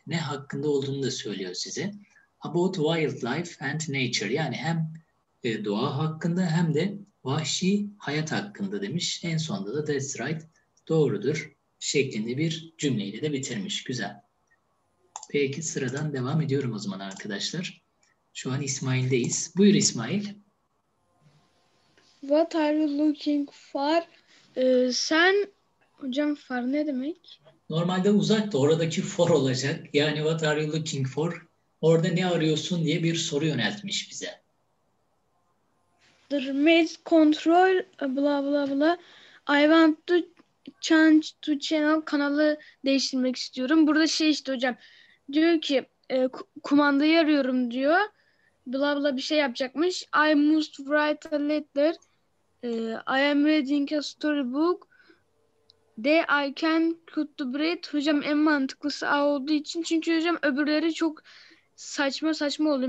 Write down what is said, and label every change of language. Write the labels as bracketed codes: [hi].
[tr] Ne hakkında olduğunu da söylüyor size. About wildlife and nature, yani hem doğa hakkında hem de vahşi hayat hakkında demiş. En sonunda da that's right, doğrudur şeklinde bir cümleyle de bitirmiş. Güzel. Peki sıradan devam ediyorum o zaman arkadaşlar. Şu an İsmail'deyiz. Buyur İsmail. [en] What are you looking for? [tr] Sen hocam far ne demek? Normalde uzakta, oradaki for olacak. [en] Yani what are you looking for? [tr] Orada ne arıyorsun diye bir soru yöneltmiş bize. [en] The remote control blah blah blah. [tr] I want to change to channel, kanalı değiştirmek istiyorum. Burada şey işte hocam. Diyor ki kumandayı arıyorum diyor. Bla bla bir şey yapacakmış. [en] I must write a letter. I am reading a storybook. There I can cut the bread. [tr] Hocam en mantıklısı A olduğu için. Çünkü hocam öbürleri çok saçma saçma oluyor.